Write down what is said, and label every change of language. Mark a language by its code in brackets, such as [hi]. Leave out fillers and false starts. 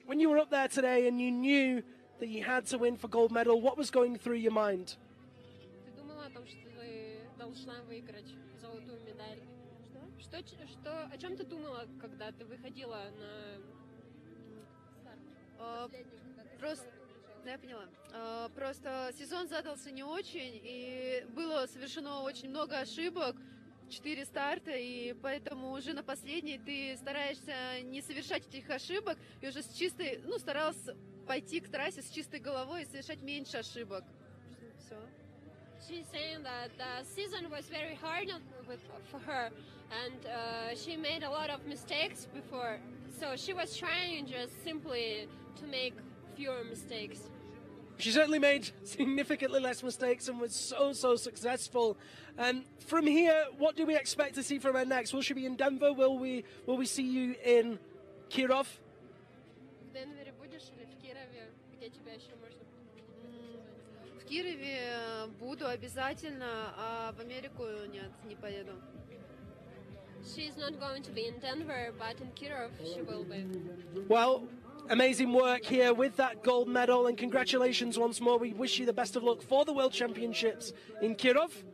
[en] When you were up there today and you knew that you had to win for gold medal, what was going through your mind? [ru] Ты думала о том, что ты должна выиграть золотую медаль? Что? Что о чем ты думала, когда ты выходила на старт? Просто, да, я поняла. Просто сезон задался не очень, и было совершено очень много ошибок. 4 старта, и поэтому уже на последний ты стараешься не совершать этих ошибок, и уже с чистой, ну, старался пойти к трассе с чистой головой и совершать меньше ошибок. Всё. [en] She's saying that the season was very hard for her, and she made a lot of mistakes before, so she was trying just simply to make fewer mistakes. She certainly made significantly less mistakes and was so, so successful. From here, what do we expect to see from her next? Will she be in Denver? Will we see you in Kirov? [ru] В Денвере будешь или в Кирове? Где тебя еще можно? В Кирове буду обязательно, а в Америку нет, не поеду. [en] She's not going to be in Denver, but in Kirov she will be. Well, amazing work here with that gold medal, and congratulations once more. We wish you the best of luck for the World Championships in Kirov.